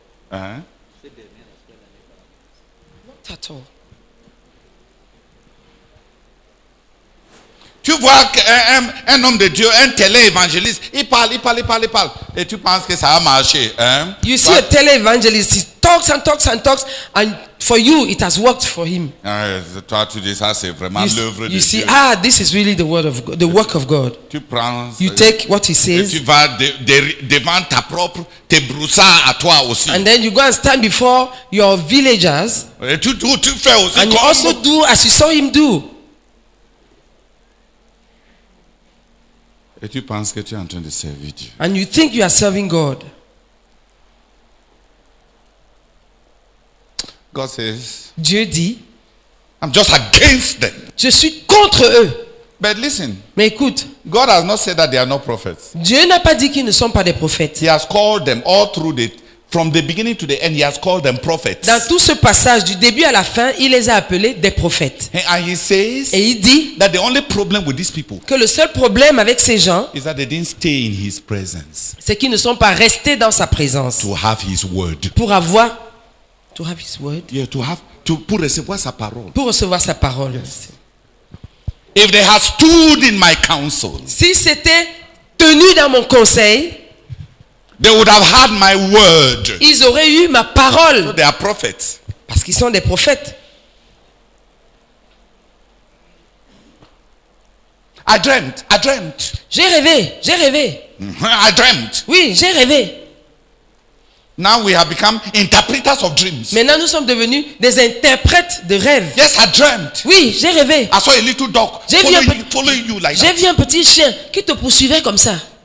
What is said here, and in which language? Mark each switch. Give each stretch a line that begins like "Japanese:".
English: Hein? at all.
French: Tu vois qu'un homme de Dieu, un télé-évangéliste, il parle. Et tu penses que ça a marché. Hein?
English: You see a télé-évangéliste, he talks, and for you, it has worked for him.
French: Toi, tu dis ça, c'est vraiment l'œuvre de Dieu.
English: You see, this is really the word of God, the work of God.
French: Tu prends,
English: you take what he says.
French: Et tu vas devant ta propre, tes broussards à toi aussi.
English: And then you go and stand before your villagers.
French: Et tu fais aussi.
English: And you also do as you saw him do.
French: Et tu penses que tu es en train de servir Dieu.
English: And you think you are serving God. God says,
French: Dieu dit,
English: I'm just against them.
French: Je suis contre eux.
English: But listen,
French: mais écoute,
English: God has not said that they are not prophets.
French: Dieu n'a pas dit qu'ils ne sont pas des prophètes.
English: He has called them all through the, from the beginning to the end, he has called them prophets.
French: Dans tout ce passage, du début à la fin, il les a appelés des prophètes.
English: And he says,
French: et il dit,
English: that the only problem with these people,
French: que le seul problème avec ces gens,
English: is that they didn't stay in his presence,
French: c'est qu'ils ne sont pas restés dans sa présence,
English: to have his word,
French: pour avoir,
English: to have his word, yeah, to have, to,
French: pour recevoir sa parole, pour recevoir sa parole. Yes.
English: If they had stood in my counsel,
French: si c'était tenu dans mon conseil,
English: they would have had my word.
French: Ils auraient eu ma parole.
English: So they are prophets.
French: Parce qu'ils sont des prophètes.
English: I dreamt.
French: J'ai rêvé.
English: I dreamt.
French: Oui, j'ai rêvé.
English: Now we have become interpreters of dreams.
French: Maintenant nous sommes devenus des interprètes de rêves.
English: Yes, I dreamt.
French: Oui, j'ai rêvé.
English: I saw a little dog following you like
French: j'ai
English: that.
French: J'ai vu un petit chien qui te poursuivait comme ça.